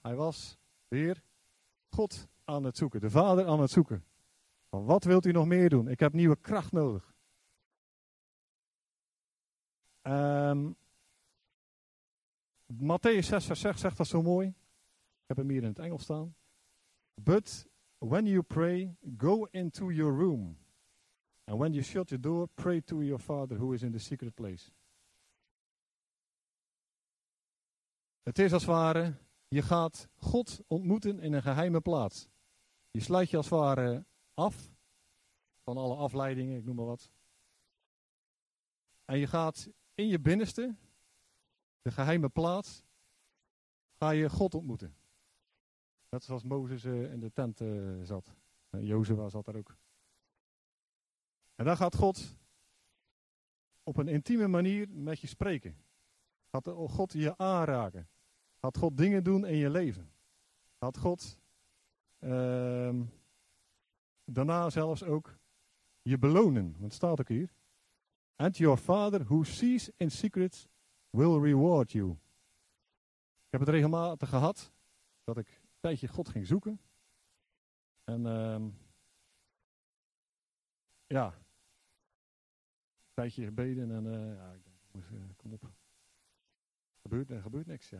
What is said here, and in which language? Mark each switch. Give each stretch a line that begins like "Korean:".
Dutch: Hij was weer God aan het zoeken. De Vader aan het zoeken. Van wat wilt u nog meer doen? Ik heb nieuwe kracht nodig. Matthäus 6 vers 6 zegt dat zo mooi. Ik heb hem hier in het Engels staan.
English: But when you pray, go into your room. And when you shut your door, pray to your father who is in the secret place.
Dutch: Het is als het ware, je gaat God ontmoeten in een geheime plaats. Je sluit je als het ware af van alle afleidingen, ik noem maar wat. En je gaat in je binnenste, de geheime plaats, ga je God ontmoeten. Net zoals Mozes in de tent zat. En Jozua zat daar ook. En daar gaat God op een intieme manier met je spreken. Gaat God je aanraken. Gaat God dingen doen in je leven. Gaat God daarna zelfs ook je belonen. Want het staat ook hier.
English: And your father who sees in secret will reward you.
Dutch: Ik heb het regelmatig gehad dat ik een tijdje God ging zoeken. En een tijdje gebeden en ik dacht, kom op. Er gebeurt niks, ja.